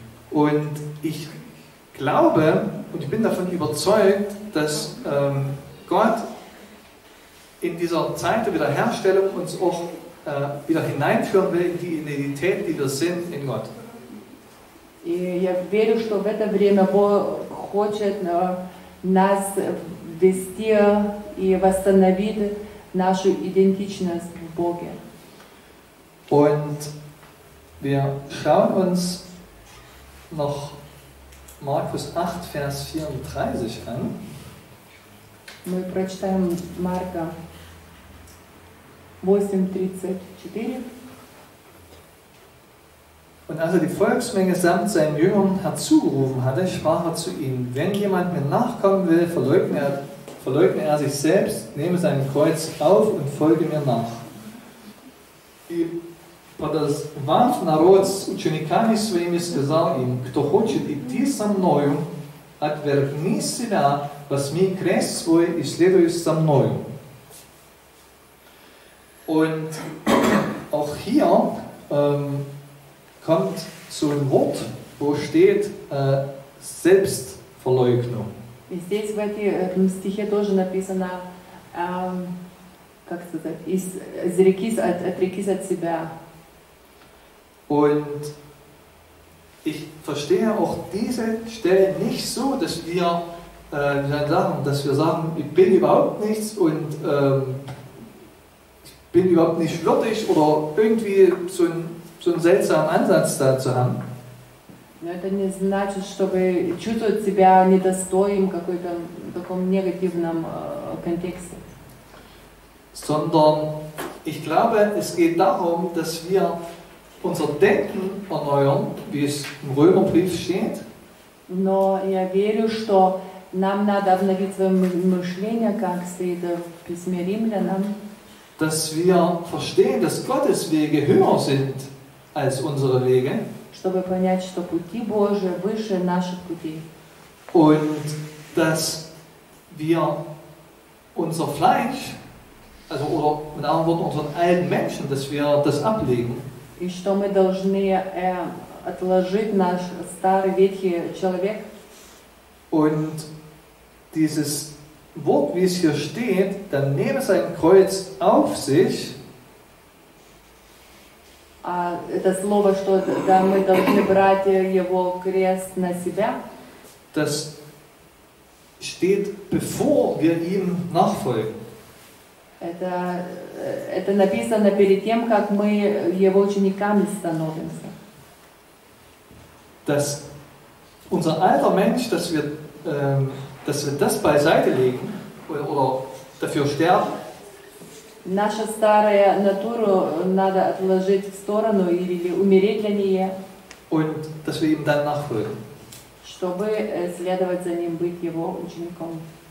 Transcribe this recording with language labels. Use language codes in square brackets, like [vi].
[de] Und ich glaube und ich bin davon überzeugt, dass Gott in dieser Zeit der Wiederherstellung uns auch wieder hineinführen will in die Identität, die wir sind in Gott. [ru] И я верю, что в это время Бог хочет нас ввести и восстановить нашу идентичность в Боге. [de] Und wir schauen uns noch Markus 8, Vers 34 an. [ru] Мы прочитаем Марка 8:34. [de] Und als er die Volksmenge samt seinen Jüngern herzugerufen hatte, sprach er zu ihnen, wenn jemand mir nachkommen will, verleugne er sich selbst, nehme sein Kreuz auf und folge mir nach. [ru] И подозвав народ с учениками своими, сказал им, кто хочет идти со мною, отвергни себя, возьми крест свой и следуй со мною. [de] Und auch hier kommt so ein Wort, wo steht Selbstverleugnung. [ru] И здесь в этом стихе тоже написано, как сказать, отрекись от себя. [de] Und ich verstehe auch diese Stelle nicht so, dass wir sagen, ich bin überhaupt nichts und ich bin überhaupt nicht würdig oder irgendwie so einen seltsamen Ansatz da zu haben. [ru] Но это не значит, чтобы чувствовать себя недостойным в каком-то таком негативном контексте. [de] Sondern ich glaube, es geht darum, dass wir unser Denken erneuern, wie es im Römerbrief steht. [ru] Но я верю, что нам надо обновить свое мышление, как стоит в письме Римлянам. [de] Dass wir verstehen, dass Gottes Wege höher sind als unsere Wege. [ru] Чтобы понять, что пути Божьи выше наших путей. [de] Und dass wir unser Fleisch, also oder mit anderen Worten unseren alten Menschen, dass wir das ablegen. [ru] И что мы должны отложить наш старый ветхий человек. [de] Und dieses Wort, wie es hier steht, dann nehme sein Kreuz auf sich. [ru] Это слово, что да, мы должны брать его крест на себя. [de] Das steht bevor wir ihm nachfolgen. [ru] Это написано перед тем, как мы его учениками становимся. [de] Dass unser alter Mensch, dass wir das beiseite legen oder dafür sterben. [ru] Наша старая натура надо отложить в сторону или умереть для нее. [de] Und dass wir ihm dann nachfolgen. [ru] Чтобы следовать за ним, быть его учеником.